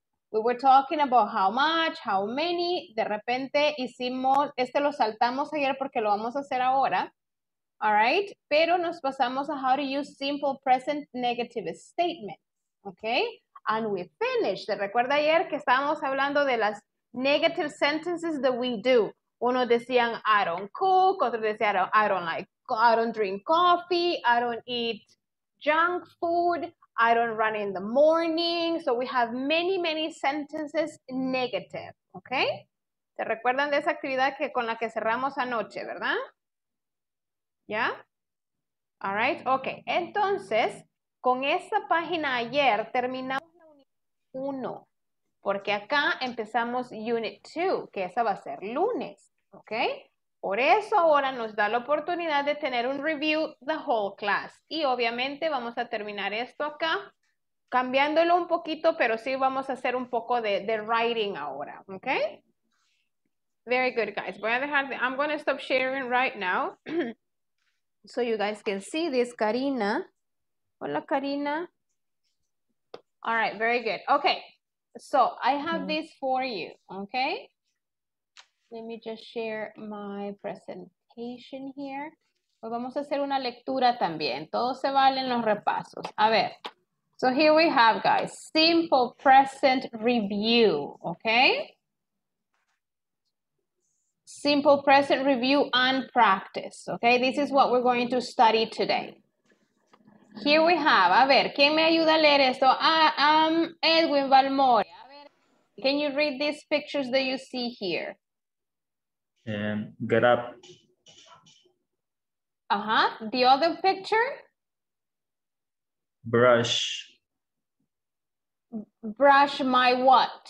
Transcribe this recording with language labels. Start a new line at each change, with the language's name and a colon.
English: We were talking about how much, how many.
Spanish: De repente hicimos, este lo saltamos ayer porque lo vamos a hacer ahora.
English: All right.
Spanish: Pero nos pasamos a
English: how to use simple present negative statement. Okay. And we finished.
Spanish: ¿Te recuerda ayer que estábamos hablando de las
English: negative sentences that we do?
Spanish: Uno decían,
English: I don't cook.
Spanish: Otro decía,
English: I don't drink coffee. I don't eat junk food. I don't run in the morning. So we have many, many sentences negative, okay?
Spanish: ¿Se recuerdan de esa actividad que con la que cerramos anoche, verdad?
English: Yeah? All right, okay.
Spanish: Entonces, con esta página ayer terminamos la unidad 1, porque acá empezamos unit 2, que esa va a ser lunes, okay? Por eso ahora nos da la oportunidad de tener un
English: review the whole class.
Spanish: Y obviamente vamos a terminar esto acá, cambiándolo un poquito, pero sí vamos a hacer un poco de writing ahora, ¿ok?
English: Very good, guys. I'm going to stop sharing right now. so you guys can see this, Karina.
Spanish: Hola, Karina.
English: All right, very good. Okay, so I have this for you, okay? Let me just share my presentation here.
Spanish: Pues vamos a hacer una lectura también. Todo se vale en los repasos. A ver.
English: So here we have, guys, simple present review, okay? Simple present review and practice, okay? This is what we're going to study today. Here we have,
Spanish: a ver, ¿quién me ayuda a leer esto? Edwin Valmore. A ver,
English: can you read these pictures that you see here? Get up. Uh-huh. The other picture? Brush. Brush my what?